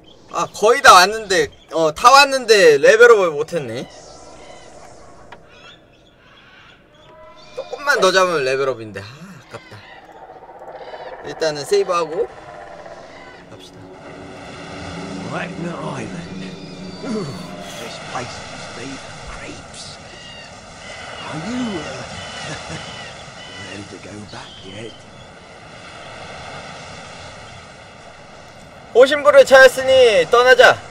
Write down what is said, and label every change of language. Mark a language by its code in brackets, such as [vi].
[ko] 아 거의 다 왔는데 다 왔는데 레벨업을 못했네. 더 잡으면 레벨업인데 아깝다. 일단은 세이브하고 갑시다. Wagner Island. [en] This place is made of crepes. Are you ready to go back yet? [ko] 오심부를 찾았으니 떠나자.